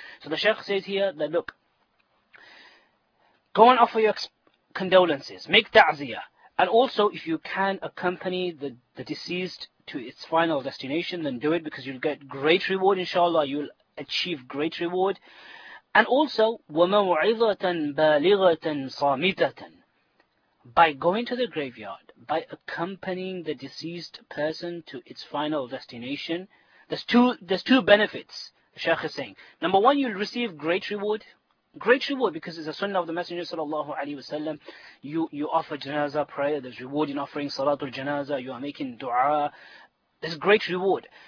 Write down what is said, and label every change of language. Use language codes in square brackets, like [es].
[en] So the Shaykh says here that, look, go and offer your condolences, make ta'ziyah, and also if you can accompany the deceased to its final destination, then do it, because you'll get great reward, inshallah, you'll achieve great reward. And also, [ar] وَمَوْعِظَةً بَالِغَةً صَامِتَةً. [en] By going to the graveyard, by accompanying the deceased person to its final destination, there's two benefits, the Shaykh is saying. Number one, you'll receive great reward. Great reward, because it's a sunnah of the Messenger sallallahu alayhi wa sallam. You offer janazah prayer, there's reward in offering salatul janazah, you are making dua. There's great reward.